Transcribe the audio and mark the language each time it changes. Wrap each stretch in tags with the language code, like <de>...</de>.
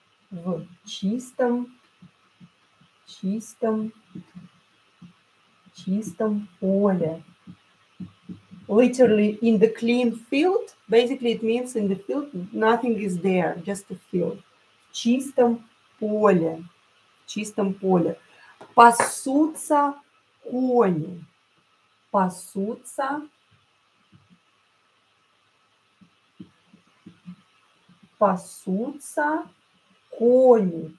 <ru>В чистом, чистом, чистом поле.</ru> <en>Literally, in the clean field, basically it means in the field, nothing is there, just a field.</en> <ru>В чистом поле, в чистом поле. Пасутся кони, пасутся пасутся кони.</ru>